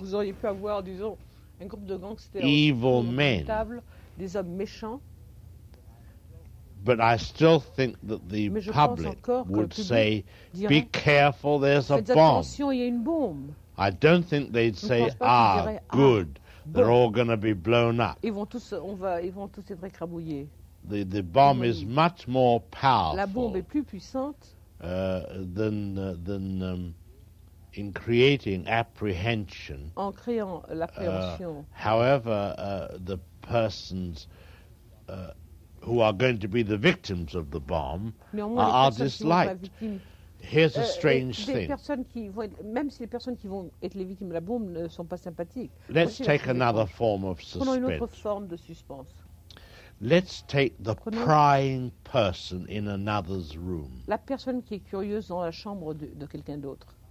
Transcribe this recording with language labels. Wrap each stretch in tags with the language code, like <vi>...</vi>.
<fr>Vous auriez pu avoir, disons, un groupe de gangsters</fr> <en>evil men.</en> <fr>Table, des hommes méchants.</fr> <en>But I still think that the public would say, be careful, there's a bomb.</en> <fr>Attention, il y a une bombe.</fr> <en>I don't think they'd say, ah, good, they're all going to be blown up.</en> <fr>Ils vont tous être écrabouillés.</fr> <en>The bomb is much more powerful.</en> <fr>La bombe est plus puissante.</fr> <en>Than in creating apprehension.</en> <fr>En créant l'appréhension.</fr> <en>The persons who are going to be the victims of the bomb are disliked. Here's a strange thing.</en> <fr>Même si les personnes qui vont être les victimes de la bombe ne sont pas sympathiques.</fr> <en>Let's take another form of suspense.</en> <fr>Prenons une autre forme de suspense.</fr> <en>Let's take the prying person in another's room.</en> <fr>La personne qui est curieuse dans la chambre de quelqu'un d'autre.</fr>